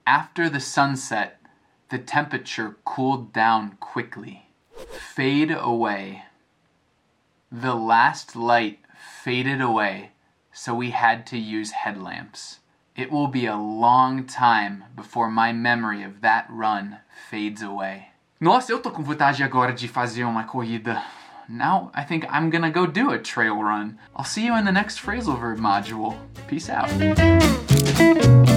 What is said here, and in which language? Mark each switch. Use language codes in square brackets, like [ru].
[en] After the sunset, the temperature cooled down quickly. Fade away. The last light faded away, so we had to use headlamps. It will be a long time before my memory of that run fades away. [pt] Nossa, eu tô com vontade agora de fazer uma corrida. [en] Now I think I'm gonna go do a trail run. I'll see you in the next phrasal verb module. Peace out.